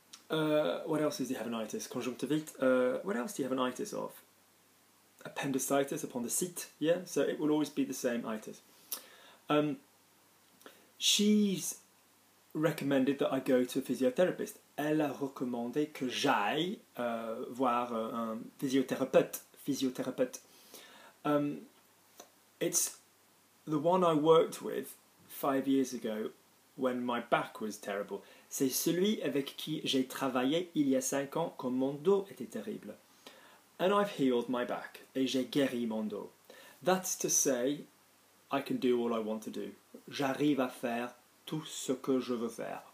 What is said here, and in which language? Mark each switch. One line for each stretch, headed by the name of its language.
English: What else does he have an itis? Conjunctivite. What else do you have an itis of? Appendicitis, appendicite, yeah? So, it will always be the same itis. She's recommended that I go to a physiotherapist.
French: Elle a recommandé que j'aille voir un physiothérapeute.
English: It's the one I worked with 5 years ago when my back was terrible.
French: C'est celui avec qui j'ai travaillé il y a 5 ans quand mon dos était terrible.
English: And I've healed my back.
French: Et j'ai guéri mon dos.
English: That's to say, I can do all I want to do.
French: J'arrive à faire tout ce que je veux faire.